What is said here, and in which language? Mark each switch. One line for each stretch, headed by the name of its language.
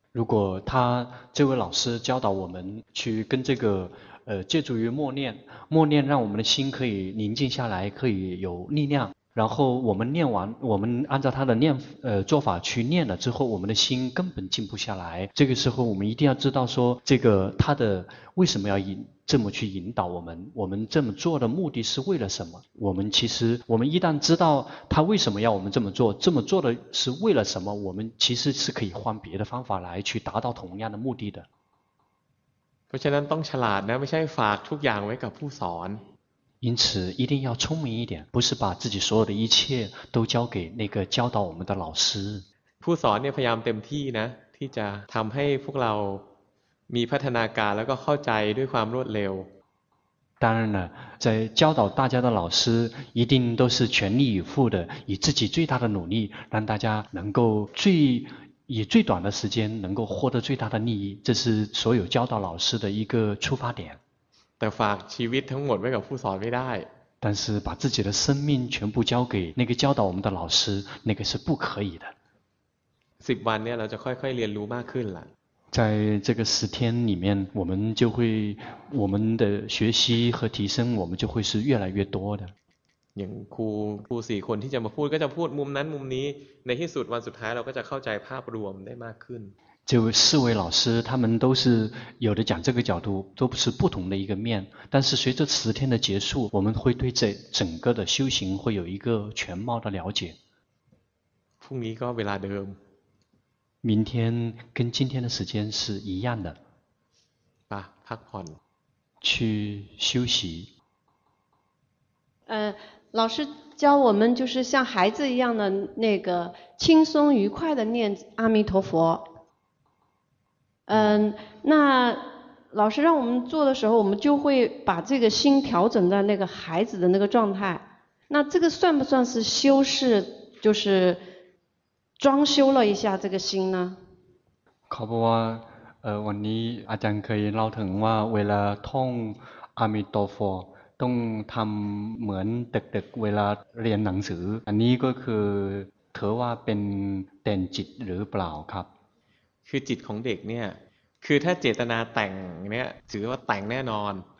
Chinese: 如果他这位老师教导我们去跟这个借助于默念默念让我们的心可以宁静下来可以有力量然后我们念完我们按照他的念做法去念了之后我们的心根本静不下来这个时候我们一定要知道说这个他的为什么要这么去引导我们这么做的目的是为了什么我们一旦知道他为什么要我们这么做的是为了什么我们其实是可以换别的方法来去达到同样的目的的
Thai: เพราะฉะนั้นต้องฉลาดนะไม่ใช่ฝากทุกอย่างไว้กับผู้สอน
Chinese: 因此一定要聪明一点不是把自己所有的一切都交给那个教导我们的老师
Thai: ผู้สอนเนี่ยพยายามเต็มที่นะที่จะทำให้พวกเรามีพัฒนาการแล้วก็เข้าใจด้วยความรวดเร็ว
Chinese: 当然了在教导大家的老师一定都是全力以赴的以自己最大的努力让大家能够以最短的时间能够获得最大的利益这是所有教导老师的一个出发点
Thai: แต่ฝากชีวิตทั้งหมดไว้กับผู้สอนไม่ได้
Chinese: 但是把自己的生命全部交给那个教导我们的老师那个是不可以的
Thai: 10วันเนี่ยเราจะค่อยๆเรียนรู้มากขึ้นล่ะ
Chinese: 在这个10天里面我们的学习和提升我们就会是越来越多的
Thai: อย่างครู4คนที่จะมาพูดก็จะพูดมุมนั้นมุมนี้ในที่สุดวันสุดท้ายเราก็จะเข้าใจภาพรวมได้มากขึ้น
Chinese: จึง四位老师他们都是有的讲这个角度都不是不同的一个面但是随着十天的结束我们会对这整个的修行会有一个全貌的了解
Thai: พรุ่งนี้ก็เวลาเดิม
Chinese: 明天跟今天的时间是一样的
Thai: ป่ะพักผ่อน
Chinese: 去休息老师教我们就是像孩子一样的那个轻松愉快的念阿弥陀佛那老师让我们做的时候我们就会把这个心调整在那个孩子的那个状态那这个算不算是修饰就是装修了一下这个心呢考不完
Thai: วันนี้อาจารย์เคยเล่าถึงว่าเวลาท่องอะมิโตโฟ ต้องทำเหมือนเด็กๆเวลาเรียนหนังสืออันนี้ก็คือเธอว่าเป็นเต้นจิตหรือเปล่าครับ คือจิตของเด็กเนี่ยคือถ้าเจตนาแต่งเนี่ยถือว่าแต่งแน่นอน